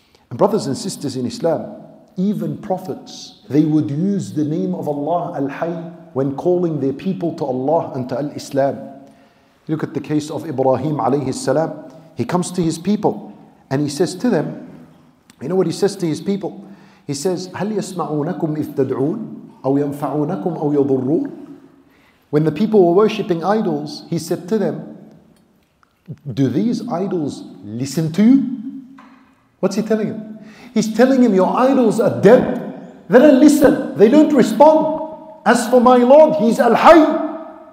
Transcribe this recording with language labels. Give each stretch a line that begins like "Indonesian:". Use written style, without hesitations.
English: And brothers and sisters in Islam, even prophets, they would use the name of Allah Al-Hay when calling their people to Allah and to Al-Islam. Look at the case of Ibrahim alayhi salam. He comes to his people and he says to them, you know what he says to his people? He says,
Arabic: هَلْ يَسْمَعُونَكُمْ إِذْ تَدْعُونَ أَوْ يَنْفَعُونَكُمْ أَوْ يَضُرُّونَ.
English: When the people were worshipping idols, he said to them, do these idols listen to you? What's he telling him? He's telling him, your idols are dead. They don't listen. They don't respond. As for my Lord, He's Al-Hay.